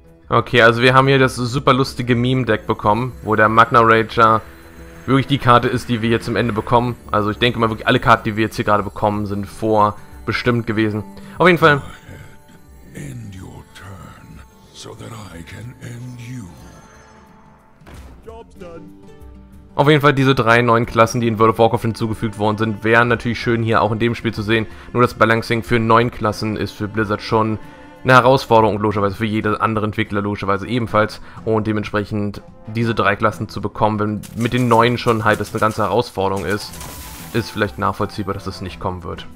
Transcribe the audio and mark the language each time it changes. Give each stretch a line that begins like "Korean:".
German: Okay, also wir haben hier das super lustige Meme-Deck bekommen, wo der Magna Rager wirklich die Karte ist, die wir jetzt am Ende bekommen. Also ich denke mal, wirklich alle Karten, die wir jetzt hier gerade bekommen, sind vorbestimmt gewesen. Auf jeden Fall.
English: End your turn, so that I can end you. Job's done.
German: Auf jeden Fall diese drei neuen Klassen, die in World of Warcraft hinzugefügt worden sind, wären natürlich schön hier auch in dem Spiel zu sehen. Nur das Balancing für neun Klassen ist für Blizzard schon eine Herausforderung, logischerweise für jeden anderen Entwickler logischerweise ebenfalls. Und dementsprechend diese drei Klassen zu bekommen, wenn mit den neuen schon halt das eine ganze Herausforderung ist, ist vielleicht nachvollziehbar, dass es nicht kommen wird.